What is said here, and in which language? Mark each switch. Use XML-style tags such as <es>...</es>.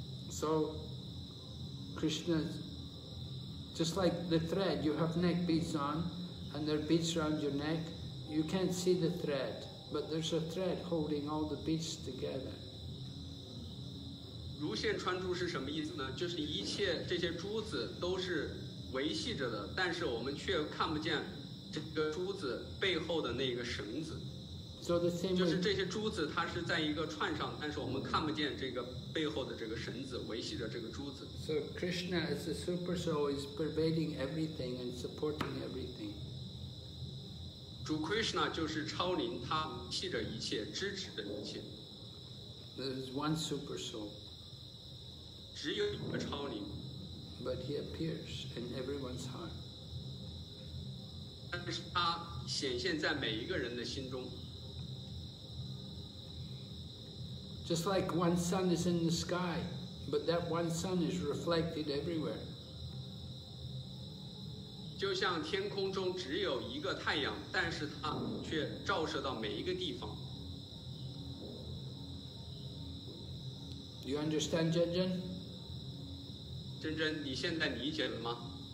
<en>So, Krishna, just like the thread, you have neck beads on, and there are beads around your neck. You can't see the thread, but there's a thread holding all the beads together.</en> <zh>如线穿珠是什么意思呢？就是一切这些珠子都是维系着的，但是我们却看不见这个珠子背后的那个绳子。</zh> <en>So the same.</en> <zh>就是这些珠子，它是在一个串上，但是我们看不见这个。背后的这个绳子维系着这个珠子。</zh> <en>So Krishna as the super soul is pervading everything and supporting everything.</en> <zh>主 Krishna 就是超灵，他维系着一切，支持着一切。</zh> <en>There is one super soul.</en> <zh>只有一个超灵。</zh> <en>But he appears in everyone's heart.</en> <zh>但是他显现在每一个人的心中。</zh> <en>Just like one sun is in the sky, but that one sun is reflected everywhere.</en> <zh>就像天空中只有一个太阳，但是它却照射到每一个地方。</zh> <en>Do you understand, Jin Jin?</en> <zh>Jin Jin, 你现在理解了吗？</zh>